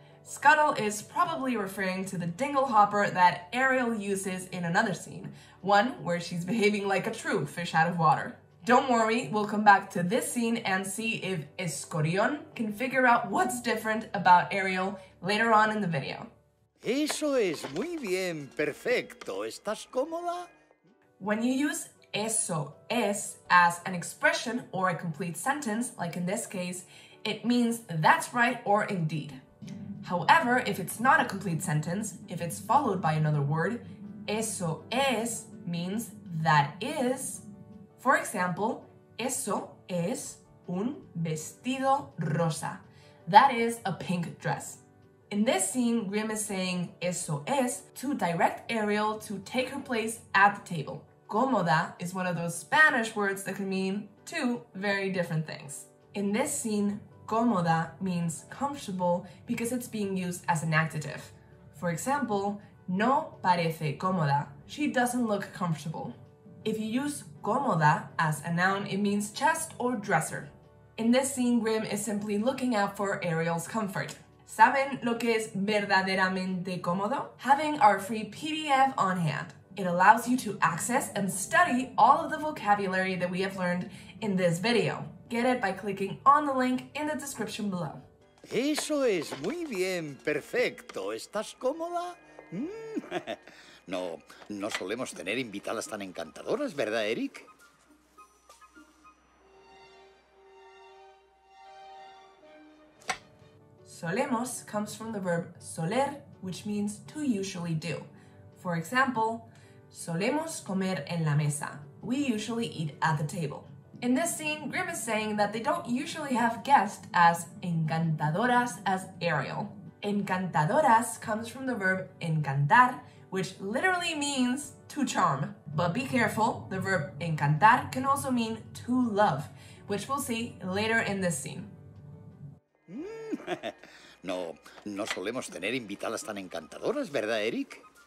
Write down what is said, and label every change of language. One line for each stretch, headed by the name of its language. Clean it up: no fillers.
English: Scuttle is probably referring to the dinglehopper that Ariel uses in another scene, one where she's behaving like a true fish out of water. Don't worry, we'll come back to this scene and see if Escorion can figure out what's different about Ariel later on in the video.
Spanish: Eso es muy bien, perfecto. ¿Estás cómoda?
English: When you use
Spanish: eso es
English: as an expression or a complete sentence, like in this case, it means that's right or indeed. However, if it's not a complete sentence, if it's followed by another word,
Spanish: eso es
English: means that is. For example,
Spanish: eso es un vestido rosa.
English: That is a pink dress. In this scene, Grimm is saying
Spanish: eso es
English: to direct Ariel to take her place at the table. Cómoda is one of those Spanish words that can mean two very different things. In this scene, cómoda means comfortable because it's being used as an adjective. For example,
Spanish: no parece cómoda.
English: She doesn't look comfortable. If you use cómoda as a noun, it means chest or dresser. In this scene, Grimm is simply looking out for Ariel's comfort.
Spanish: ¿Saben lo que es verdaderamente cómodo?
English: Having our free PDF on hand. It allows you to access and study all of the vocabulary that we have learned in this video. Get it by clicking on the link in the description below.
Spanish: Eso es muy bien, perfecto. ¿Estás cómoda? No, no solemos tener invitadas tan encantadoras, ¿verdad, Eric?
English: Solemos comes from the verb soler, which means to usually do. For example,
Spanish: solemos comer en la mesa.
English: We usually eat at the table. In this scene, Grimm is saying that they don't usually have guests as encantadoras as Ariel. Encantadoras comes from the verb encantar, which literally means to charm. But be careful, the verb encantar can also mean to love, which we'll see later in this scene.
Spanish: No, no solemos tener invitadas tan encantadoras, ¿verdad, Eric?